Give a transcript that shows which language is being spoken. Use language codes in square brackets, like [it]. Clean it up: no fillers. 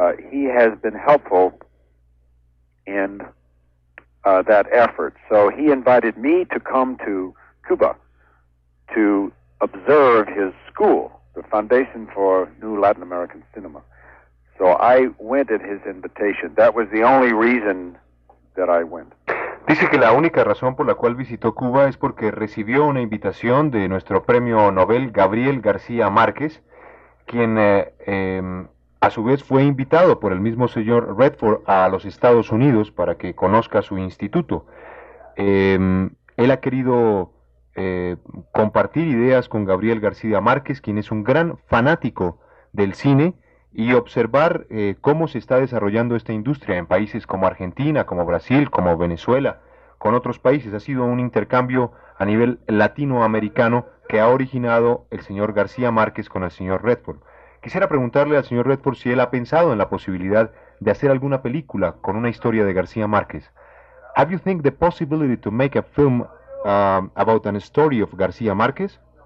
[en] He has been helpful in that effort. So he invited me to come to Cuba to observe his school, the Foundation for New Latin American Cinema. So I went at his invitation. That was the only reason that I went. [es] Dice que la única razón por la cual visitó Cuba es porque recibió una invitación de nuestro premio Nobel, Gabriel García Márquez, quien a su vez fue invitado por el mismo señor Redford a los Estados Unidos para que conozca su instituto. Él ha querido compartir ideas con Gabriel García Márquez, quien es un gran fanático del cine, y observar cómo se está desarrollando esta industria en países como Argentina, como Brasil, como Venezuela, con otros países. Ha sido un intercambio a nivel latinoamericano que ha originado el señor García Márquez con el señor Redford. Quisiera preguntarle al señor Redford si él ha pensado en la posibilidad de hacer alguna película con una historia de García Márquez. [en] Have you think the possibility to make a film about a story of García Márquez?